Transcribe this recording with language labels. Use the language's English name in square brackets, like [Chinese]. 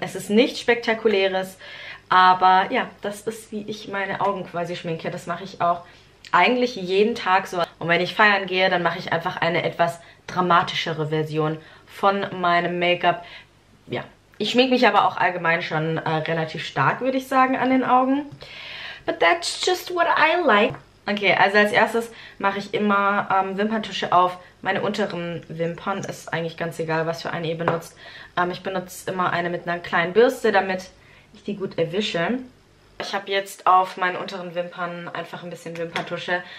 [German] Es ist nichts Spektakuläres, aber ja, das ist, wie ich meine Augen quasi schminke. Das mache ich auch eigentlich jeden Tag so. Und wenn ich feiern gehe, dann mache ich einfach eine etwas dramatischere Version von meinem Make-up. Ja, ich schminke mich aber auch allgemein schon relativ stark, würde ich sagen, an den Augen. [English] But that's just what I like. [German] Okay, also als erstes mache ich immer Wimperntusche auf meine unteren Wimpern. Ist eigentlich ganz egal, was für eine ihr benutzt. Ich benutze immer eine mit einer kleinen Bürste, damit ich die gut erwische. Ich habe jetzt auf meinen unteren Wimpern einfach ein bisschen Wimperntusche.